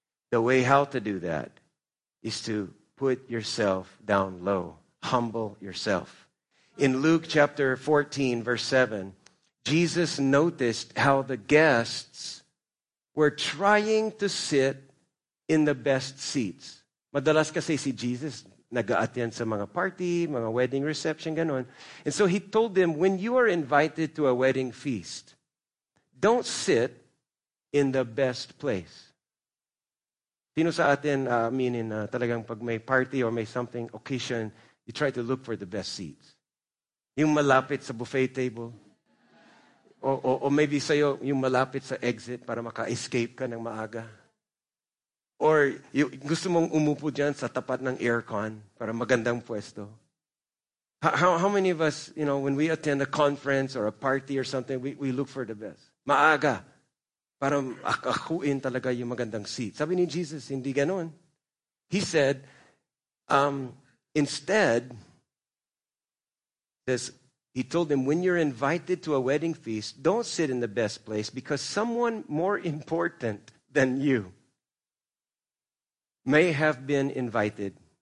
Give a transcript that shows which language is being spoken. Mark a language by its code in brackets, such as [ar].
[en] The way how to do that is to put yourself down low. Humble yourself. In Luke chapter 14, verse 7, Jesus noticed how the guests were trying to sit in the best seats. [tl] Madalas kasi si Jesus nag-aattend sa mga party, mga wedding reception, ganun. [en] And so he told them, when you are invited to a wedding feast, don't sit in the best place. [tl] Sino sa atin, talagang pag may [en] party or may something, occasion, you try to look for the best seats. [tl] Yung malapit sa buffet table. Or maybe sa'yo, yung malapit sa exit para maka-escape ka ng maaga. Or gusto mong umupo dyan sa tapat ng aircon para magandang pwesto. [en] How many of us, you know, when we attend a conference or a party or something, we look for the best. [tl] Maaga. Para akuin talaga yung magandang seat. Sabi ni Jesus, hindi ganun. [en] He said, instead, says, he told them, when you're invited to a wedding feast, don't sit in the best place because someone more important than you may have been invited.